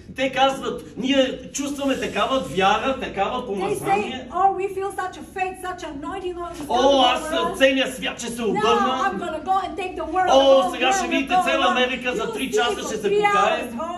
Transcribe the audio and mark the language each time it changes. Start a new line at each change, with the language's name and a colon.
Bulgarian: Те казват, ние чувстваме такава вяра, такава помазание.
English: Oh, we feel such a faith, such anointing.
Bulgarian: Аз целия свят ще се обърна.
English: Now I'm gonna go and take the world.
Bulgarian: Сега ще видите цяла Америка за 3 часа ще се покае.